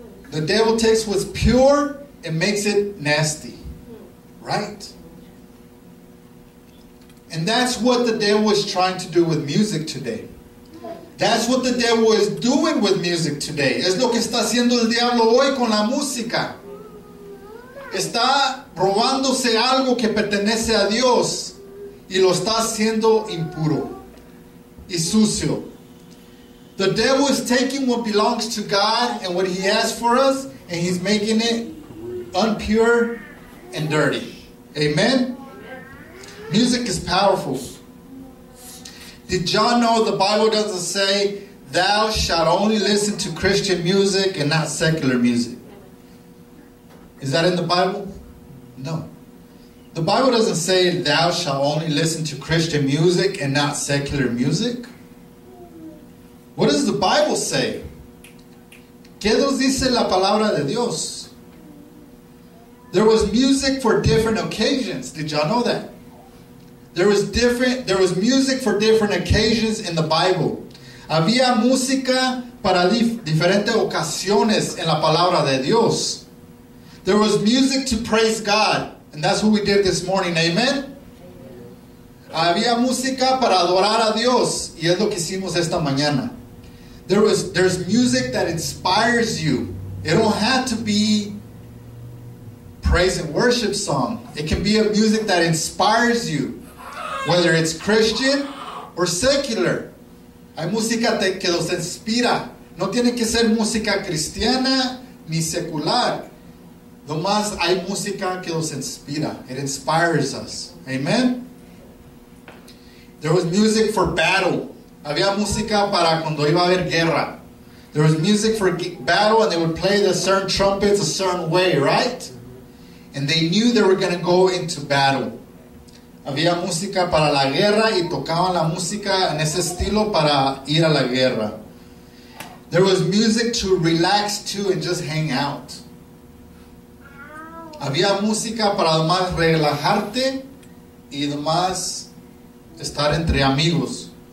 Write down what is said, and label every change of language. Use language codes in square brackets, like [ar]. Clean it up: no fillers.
[en] The devil takes what's pure and makes it nasty. Right? And that's what the devil is trying to do with music today. That's what the devil is doing with music today. [es] Es lo que está haciendo el diablo hoy con la música. Está robándose algo que pertenece a Dios y lo está haciendo impuro y sucio. [en] The devil is taking what belongs to God and what he has for us, and he's making it impure and dirty. Amen? Music is powerful. Did John know the Bible doesn't say, thou shalt only listen to Christian music and not secular music? Is that in the Bible? No. The Bible doesn't say, thou shalt only listen to Christian music and not secular music. What does the Bible say? [es] ¿Qué nos dice la palabra de Dios? [en] There was music for different occasions. Did y'all know that? There was music for different occasions in the Bible. [es] Había música para diferentes ocasiones en la palabra de Dios. [en] There was music to praise God. And that's what we did this morning. Amen? [es] Había música para adorar a Dios. Y es lo que hicimos esta mañana. [en] There's music that inspires you. It don't have to be praise and worship song. It can be a music that inspires you, whether it's Christian or secular. [es] Hay música que los inspira. No tiene que ser música cristiana ni secular. No más hay música que los inspira. [en] It inspires us. Amen? There was music for battle. [es] Había música para cuando iba a haber guerra. [en] There was music for battle, and they would play the certain trumpets a certain way, right? And they knew they were going to go into battle. [es] Había música para la guerra y tocaban la música en ese estilo para ir a la guerra. [en] There was music to relax to and just hang out. [es] Había música para más relajarte y más estar entre amigos.